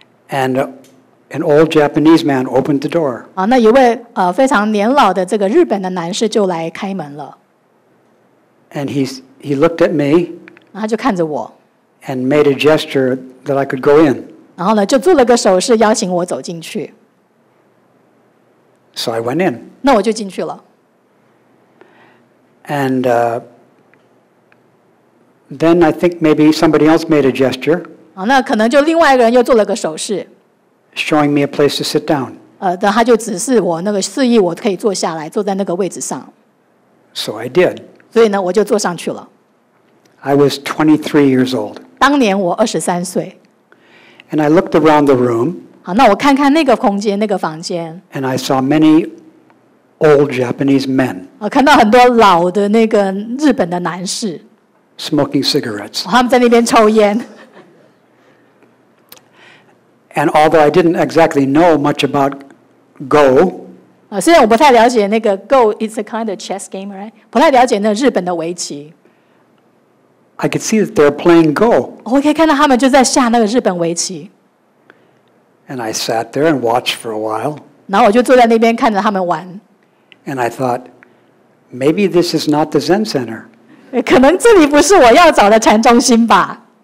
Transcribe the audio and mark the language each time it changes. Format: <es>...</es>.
<en>And an old Japanese man opened the door.</en> <zh>啊，那一位非常年老的这个日本的男士就来开门了。</zh> <en>And he looked at me.</en> <zh>然后就看着我。</zh> <en>And made a gesture that I could go in.</en> <zh>然后呢，就做了个手势邀请我走进去。</zh> <en>So I went in.</en> <zh>那我就进去了。</zh> <en>And then I think maybe somebody else made a gesture.</en> <zh>啊，那可能就另外一个人又做了个手势。</zh> <en>Showing me a place to sit down.</en> <zh>那他就指示我那个示意我可以坐下来，坐在那个位置上。</zh> <en>So I did.</en> <zh>所以呢，我就坐上去了。</zh> <en>I was 23 years old.</en> <zh>当年我23岁。</zh> <en>And I looked around the room.</en> <zh>好，那我看看那个空间，那个房间。</zh> <en>And I saw many old Japanese men.</en> <zh>看到很多老的那个日本的男士。</zh> <en>Smoking cigarettes.</en> <zh>他们在那边抽烟。</zh> <en>And although I didn't exactly know much about Go，</en> <zh>虽然我不太了解那个</zh> <en>Go is a kind of chess game， right？</en> <zh>不太了解那日本的围棋。</zh> <en>I could see that they're playing Go。</en> <zh>我可以看到他们就在下那个日本围棋。</zh> <en>And I sat there and watched for a while。</en> <zh>然后我就坐在那边看着他们玩。</zh> <en>And I thought maybe this is not the Zen center。</en> <zh>可能这里不是我要找的禅中心吧。</zh>